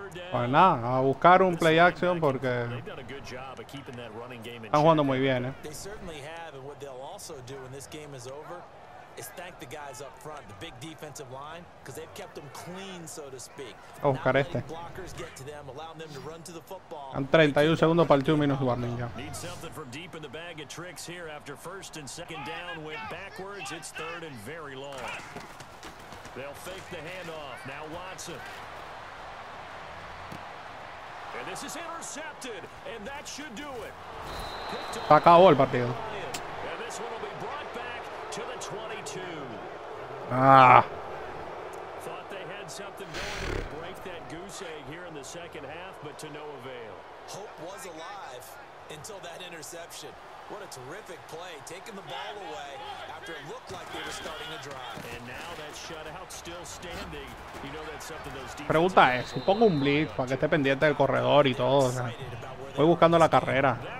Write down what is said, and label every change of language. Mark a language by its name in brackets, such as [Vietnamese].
[Spanish] Pues nada, a buscar un play action porque están jugando muy bien, ¿eh? [English] They certainly have, and what they'll also do when this game is over is thank the guys up front, the big defensive line, because they've kept them clean, so to speak. [Spanish] A buscar este. [English] Blockers get to them, allowing them to run to the football. [Spanish] Han 31 segundos para el 2-minute warning ya. [English] Need something from deep in the bag of tricks here after first and second down went backwards. It's third and very long. They'll fake the handoff. Now Watson. And this is intercepted, and that should do it. [Spanish] Se acabó el partido. [English] And this one will be brought back to the 22. Ah. Thought they had something going to break that goose egg here in the second half, but to no avail. Hope was alive until that interception. What a terrific play, taking the ball away after it looked like they were starting a drive. And now that shutout still standing. You know that's something those defense. [Spanish] Pregunta es, pongo un blitz para que esté pendiente del corredor y todo. O sea, voy buscando la carrera.